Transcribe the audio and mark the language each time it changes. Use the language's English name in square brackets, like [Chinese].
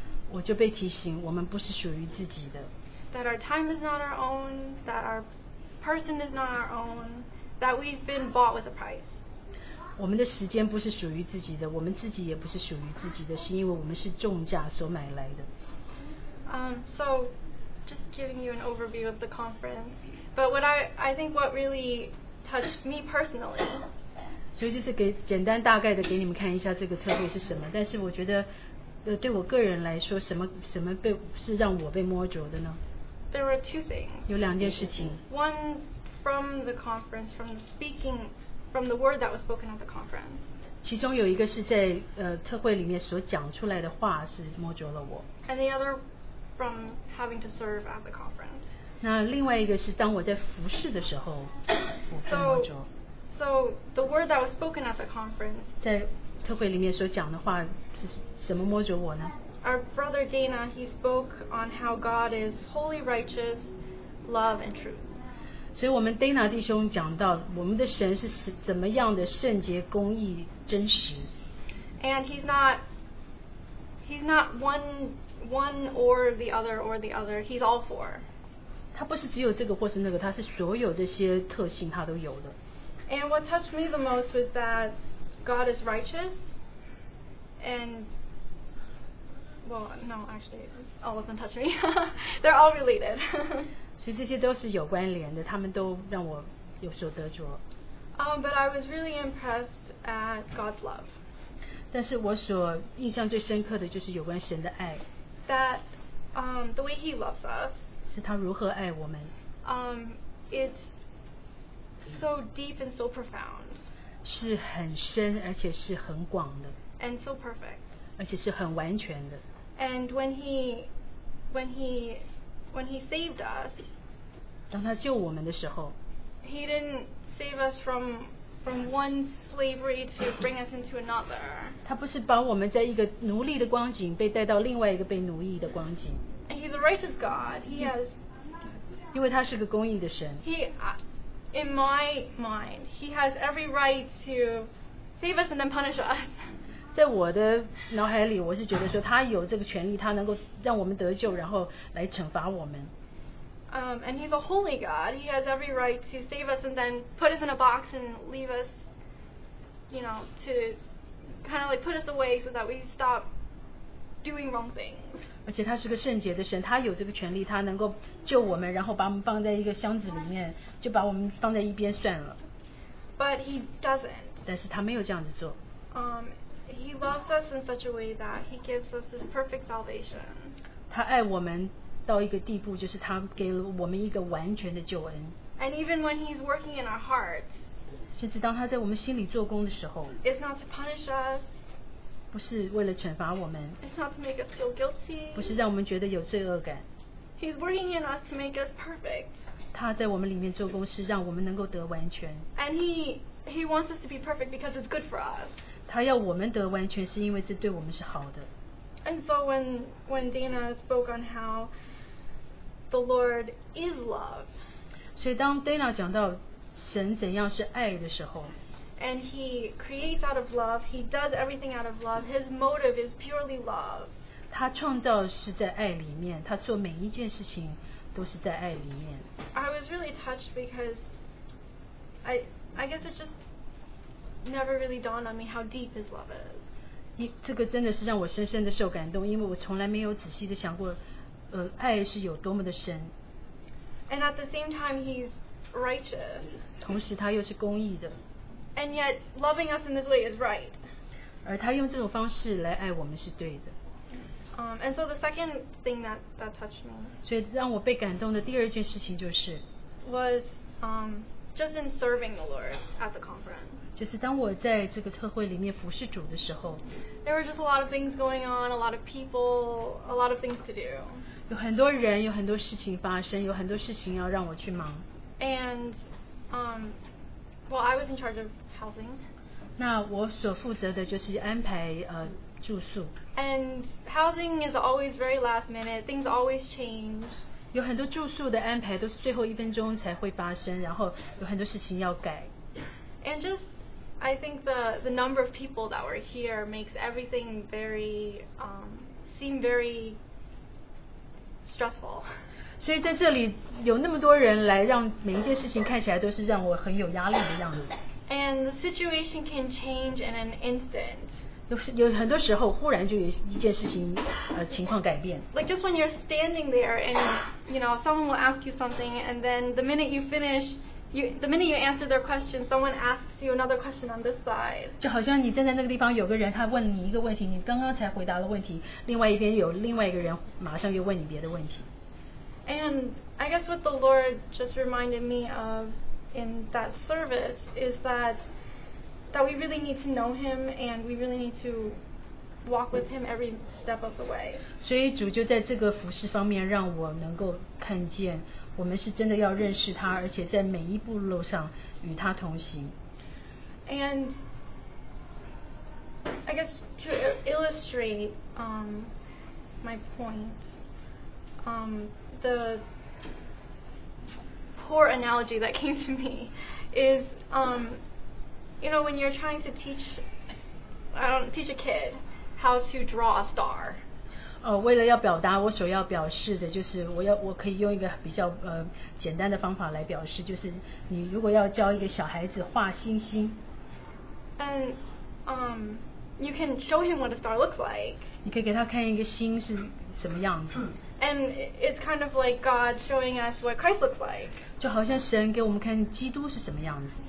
[Chinese] 我就被提醒，我们不是属于自己的。 [English] That our time is not our own, that our person is not our own, that we've been bought with a price. [Chinese] 我们的时间不是属于自己的，我们自己也不是属于自己的，是因为我们是重价所买来的。 [English] So, just giving you an overview of the conference. But what I think what really touched me personally. [Chinese] 所以就是给简单大概的给你们看一下这个特别是什么，但是我觉得。对我个人来说，什么被是让我被摸着的呢 [English] ？There were two things. [Chinese] 有两件事情。 [English] One from the conference, from the speaking, from the word that was spoken at the conference. [Chinese] 其中有一个是在特会里面所讲出来的话是摸着了我。 [English] And the other from having to serve at the conference. [Chinese] 那另外一个是当我在服侍的时候，我被摸着。 [English] So the word that was spoken at the conference. [Chinese] 在特会里面所讲的话是什么摸着我呢 [English] ？Our brother Dana, he spoke on how God is holy, righteous, love, and truth. [Chinese] 所以我们 Dana 弟兄讲到我们的神是怎么样的圣洁、公义、真实。 [English] And he's not one or the other or the other. He's all four. [Chinese] 他不是只有这个或是那个，他是所有这些特性他都有的。 [English] And what touched me the most was that. God is righteous, and well, no, actually, all of them touch me. They're all related. [Chinese] 所以这些都是有关联的，他们都让我有所得着。 [English] But I was really impressed at God's love. [Chinese] 但是我所印象最深刻的就是有关神的爱。 [English] That, the way He loves us. [Chinese] 是他如何爱我们。 [English] It's so deep and so profound. [Chinese] 是很深，而且是很广的 [English] ，and so perfect， [Chinese] 而且是很完全的。 [English] And when he saved us， [Chinese] 当他救我们的时候 [English] ，he didn't save us from one slavery to bring us into another。 [Chinese] 他不是把我们在一个奴隶的光景被带到另外一个被奴役的光景。 [English] And he's a righteous God. He has， [Chinese] 因为他是个公义的神。 [English] In my mind, he has every right to save us and then punish us. [Chinese] 在我的脑海里，我是觉得说他有这个权利，他能够让我们得救，然后来惩罚我们。 [English] And he's a holy God. He has every right to save us and then put us in a box and leave us, you know, to kind of like put us away so that we stop doing wrong things. [Chinese] 而且他是个圣洁的神，他有这个权利，他能够救我们，然后把我们放在一个箱子里面，就把我们放在一边算了。 [English] But he doesn't. [Chinese] 但是他没有这样子做。 [English] He loves us in such a way that he gives us this perfect salvation. [Chinese] 他爱我们到一个地步，就是他给了我们一个完全的救恩。 [English] And even when he's working in our hearts, [Chinese] 甚至当他在我们心里做工的时候 [English] ，it's not to punish us. [Chinese] 不是为了惩罚我们 [English] It's not to make us feel guilty. [Chinese] 不是让我们觉得有罪恶感 [English] He's working in us to make us perfect. [Chinese] 他在我们里面做工是让我们能够得完全 [English] And he wants us to be perfect because it's good for us. [Chinese] 他要我们得完全是因为这对我们是好的 [English] And so when Dana spoke on how the Lord is love. [Chinese] 所以当 Dana 讲到神怎样是爱的时候 [English] And he creates out of love. He does everything out of love. His motive is purely love. [Chinese] 他创造是在爱里面，他做每一件事情都是在爱里面。 [English] I was really touched because I guess it just never really dawned on me how deep his love is. [Chinese] 这个真的是让我深深的受感动，因为我从来没有仔细的想过，爱是有多么的深。 [English] And at the same time, he's righteous. [Chinese] 同时他又是公义的。 [English] And yet, loving us in this way is right. [Chinese] 而他用这种方式来爱我们是对的。 [English] And so the second thing that touched me. [Chinese] 所以让我被感动的第二件事情就是 [English] was just in serving the Lord at the conference. [Chinese] 就是当我在这个特会里面服侍主的时候， [English] there were just a lot of things going on, a lot of people, a lot of things to do. [Chinese] 有很多人，有很多事情发生，有很多事情要让我去忙。 [English] And, well, I was in charge of housing. [Chinese] 那我所负责的就是安排住宿。 [English] And housing is always very last minute. Things always change. [Chinese] 有很多住宿的安排都是最后一分钟才会发生，然后有很多事情要改。 [English] And just, I think the number of people that were here makes everything very, seem very stressful. [Chinese] 所以在这里有那么多人来，让每一件事情看起来都是让我很有压力的样子。 [English] And the situation can change in an instant. [Chinese] 有很多时候忽然就有一件事情，情况改变。 [English] Like just when you're standing there and, you know, someone will ask you something and then the minute you finish,the minute you answer their question, someone asks you another question on this side. [Chinese] 就好像你站在那个地方，有个人他问你一个问题，你刚刚才回答了问题，另外一边有另外一个人马上又问你别的问题。 [English] And I guess what the Lord just reminded me of in that service is that we really need to know Him and we really need to walk with Him every step of the way. [Chinese] 所以主就在这个服事方面让我能够看见。我们是真的要认识他，而且在每一步路上与他同行。 [English] And I guess to illustrate my point, the poor analogy that came to me is, you know, when you're trying to teach a kid how to draw a star. [Chinese] 为了要表达我所要表示的，就是我可以用一个比较简单的方法来表示，就是你如果要教一个小孩子画星星 [English] ，and you can show him what a star looks like. [Chinese] 你可以给他看一个星是什么样子。 [English] And it's kind of like God showing us what Christ looks like. [Chinese] 就好像神给我们看基督是什么样子。